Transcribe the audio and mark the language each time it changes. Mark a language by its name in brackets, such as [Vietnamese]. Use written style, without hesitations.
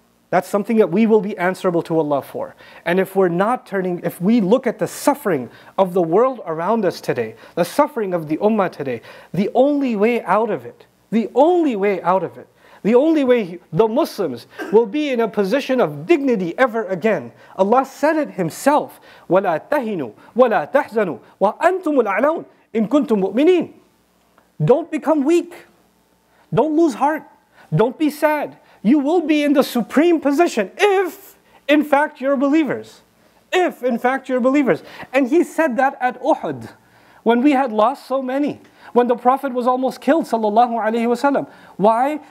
[English] That's something that we will be answerable to Allah for. And if we're not turning, if we look at the suffering of the world around us today, the suffering of the ummah today, the only way out of it, the only way out of it, the only way the Muslims will be in a position of dignity ever again. Allah said it Himself, [Arabic] وَلَا تَهِنُوا وَلَا تَحْزَنُوا وَأَنْتُمُ الْعَلَوْنَ إِن كُنْتُم مُؤْمِنِينَ. [English] Don't become weak. Don't lose heart. Don't be sad. You will be in the supreme position if, in fact, you're believers. If, in fact, you're believers. And He said that at Uhud, when we had lost so many. When the Prophet was almost killed, sallallahu alaihi wasallam. Why?